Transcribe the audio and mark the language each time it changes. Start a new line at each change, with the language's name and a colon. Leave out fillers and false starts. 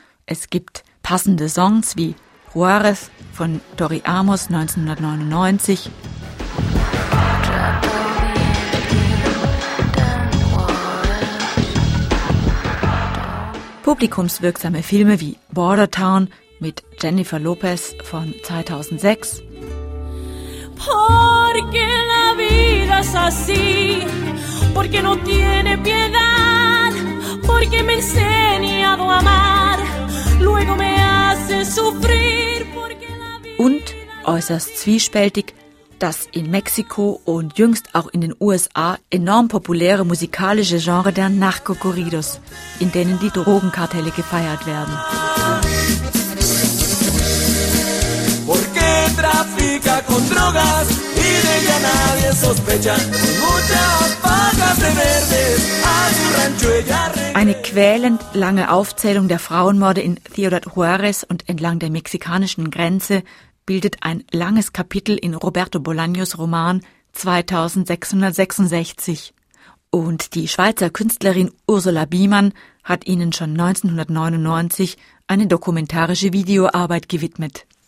German: Es gibt passende Songs wie Juarez von Tori Amos 1999. Publikumswirksame Filme wie Border Town mit Jennifer Lopez von 2006.
Spanish: Porque la vida es así, porque no tiene piedad, porque me enseñado a amar, luego me hace sufrir, porque la vida.
German: Und äußerst zwiespältig, das in Mexiko und jüngst auch in den USA enorm populäre musikalische Genre der Narcocorridos, in denen die Drogenkartelle gefeiert werden.
Spanish: Porque trafica con drogas y de ella nadie sospecha. Muchas vacas de verdes a su rancho ella regresa.
German: Eine quälend lange Aufzählung der Frauenmorde in Ciudad Juárez und entlang der mexikanischen Grenze bildet ein langes Kapitel in Roberto Bolaños Roman 2666. Und die Schweizer Künstlerin Ursula Biemann hat ihnen schon 1999 eine dokumentarische Videoarbeit gewidmet.